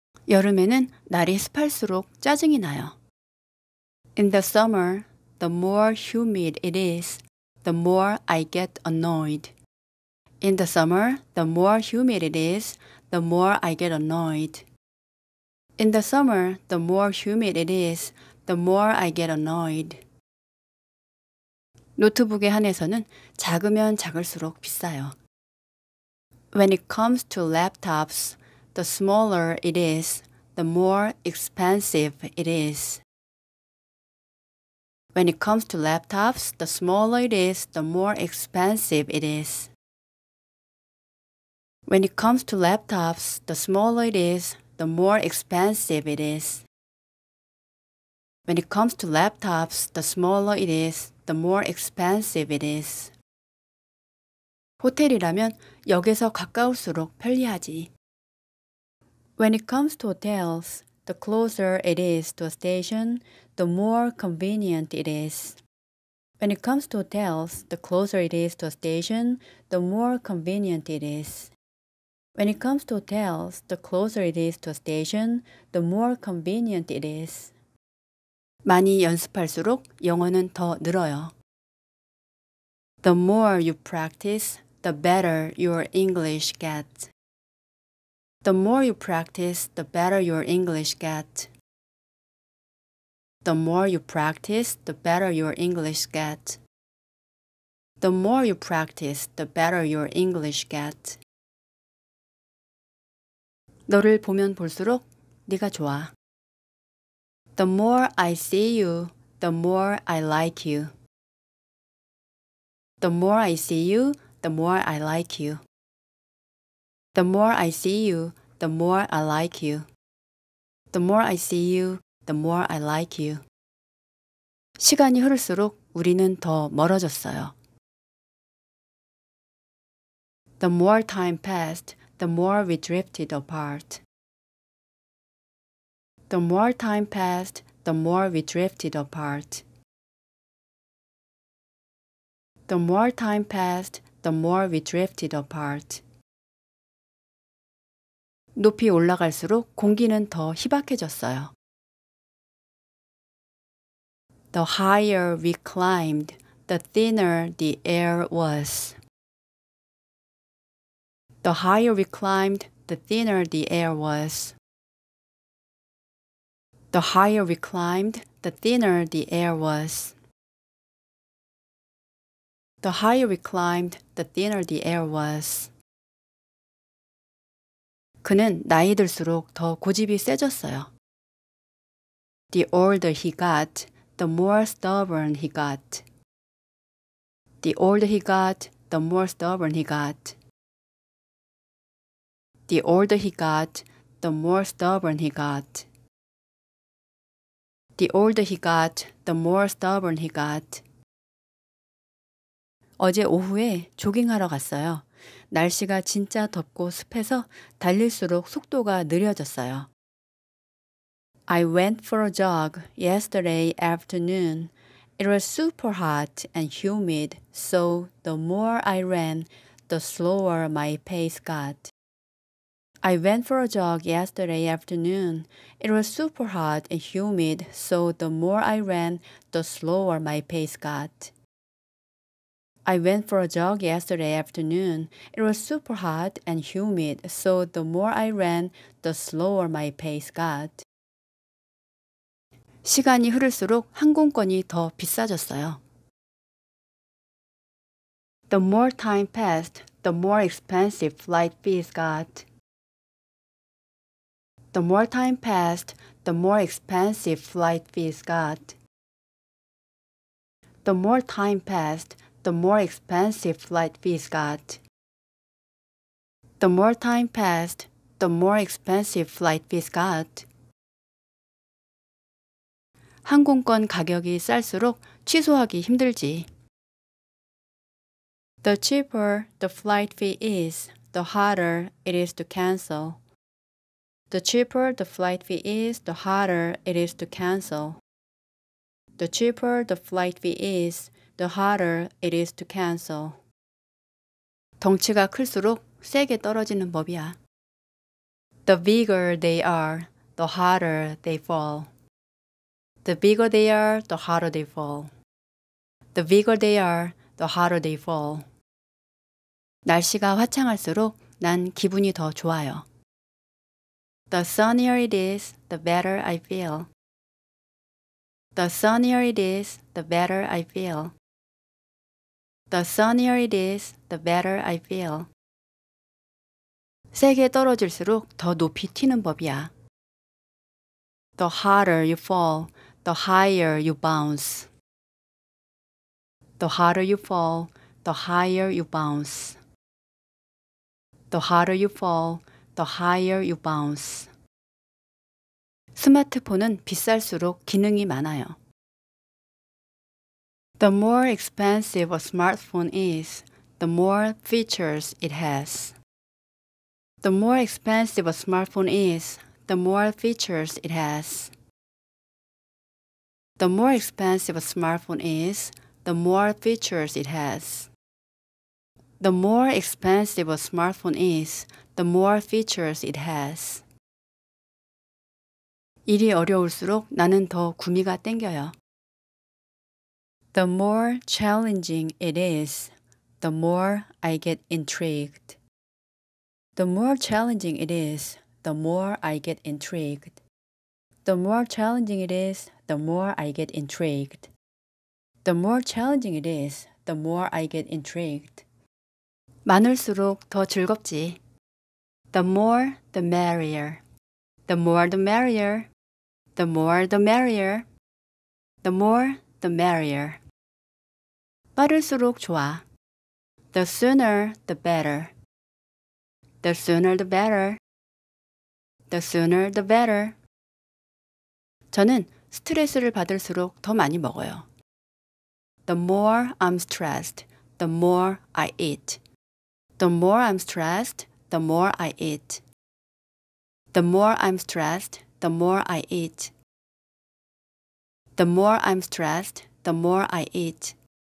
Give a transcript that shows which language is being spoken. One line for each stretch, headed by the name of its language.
Korean: 여름에는 날이 습할수록 짜증이 나요.
English: In the summer, the more humid it is, the more I get annoyed. In the summer, the more humid it is, the more I get annoyed. In the summer, the more humid it is, the more I get annoyed.
Korean: 노트북에 한해서는 작으면 작을수록 비싸요.
English: When it comes to laptops, the smaller it is, the more expensive it is. When it comes to laptops, the smaller it is, the more expensive it is. When it comes to laptops, the smaller it is, the more expensive it is. When it comes to laptops, the smaller it is, the more expensive it is.
Korean: 호텔이라면 역에서 가까울수록 편리하지.
English: When it comes to hotels, the closer it is to a station, the more convenient it is. When it comes to hotels, the closer it is to a station, the more convenient it is. When it comes to hotels, the closer it is to a station, the more convenient it is.
Korean: 많이 연습할수록 영어는 더 늘어요.
English: The more you practice, the better your English gets. The more you practice, the better your English gets. The more you practice, the better your English gets. The more you practice, the better your English gets.
Korean: 너를 보면 볼수록 네가 좋아.
English: The more I see you, the more I like you. The more I see you, the more I like you. The more I see you, the more I like you. The more I see you, the more I like you.
Korean: 시간이 흐를수록 우리는 더 멀어졌어요.
English: The more time passed, the more we drifted apart. The more time passed, the more we drifted apart. The more time passed, the more we drifted apart.
Korean: 높이 올라갈수록 공기는 더 희박해졌어요.
English: The higher we climbed, the thinner the air was. The higher we climbed, the thinner the air was. The higher we climbed, the thinner the air was. The higher we climbed, the thinner the air was.
Korean: 그는 나이 들수록 더 고집이 세졌어요.
English: The older he got, the more stubborn he got. The older he got, the more stubborn he got. The older he got, the more stubborn he got. The older he got, the more stubborn he got.
Korean: 어제 오후에 조깅하러 갔어요. 날씨가 진짜 덥고 습해서 달릴수록 속도가 느려졌어요.
English: I went for a jog yesterday afternoon. It was super hot and humid, so the more I ran, the slower my pace got. I went for a jog yesterday afternoon. It was super hot and humid, so the more I ran, the slower my pace got. I went for a jog yesterday afternoon. It was super hot and humid, so the more I ran, the slower my pace got.
Korean: 시간이 흐를수록 항공권이 더 비싸졌어요.
English: The more time passed, the more expensive flight fees got. The more time passed, the more expensive flight fees got. The more time passed, the more expensive flight fees got. The more time passed, the more expensive flight fees got.
Korean: 항공권 가격이 쌀수록 취소하기 힘들지.
English: The cheaper the flight fee is, the harder it is to cancel. The cheaper the flight fee is, the harder it is to cancel. The cheaper the flight fee is, the harder it is to cancel.
Korean: 덩치가 클수록 세게 떨어지는 법이야.
English: The bigger they are, the harder they fall. The bigger they are, the harder they fall. The bigger they are, the harder they fall.
Korean: 날씨가 화창할수록 난 기분이 더 좋아요.
English: The sunnier it is, the better I feel. The sunnier it is, the better I feel. The sunnier it is, the better I feel.
Korean: 세게 떨어질수록 더 높이 튀는 법이야.
English: The harder you fall, the higher you bounce. The harder you fall, the higher you bounce. The harder you fall, the higher you bounce.
Korean: 스마트폰은 비쌀수록 기능이 많아요.
English: The more expensive a smartphone is, the more features it has. The more expensive a smartphone is, the more features it has. The more expensive a smartphone is, the more features it has. The more expensive a smartphone is, the more features it has.
Korean: 일이 어려울수록 나는 더 구미가 땡겨요.
English: The more challenging it is, the more I get intrigued. The more challenging it is, the more I get intrigued. The more challenging it is, the more I get intrigued. The more challenging it is, the more I get intrigued.
Korean: 많을수록 더 즐겁지.
English: The more, the merrier. The more, the merrier. The more, the merrier. The more, the merrier.
Korean: 빠를수록 좋아.
English: The sooner, the better. The sooner, the better. The sooner, the better.
Korean: 저는 스트레스를 받을수록 더 많이 먹어요.
English: The more I'm stressed, the more I eat. The more I'm stressed, the more I eat. The more I'm stressed, the more I eat. The more I'm stressed, the more I eat.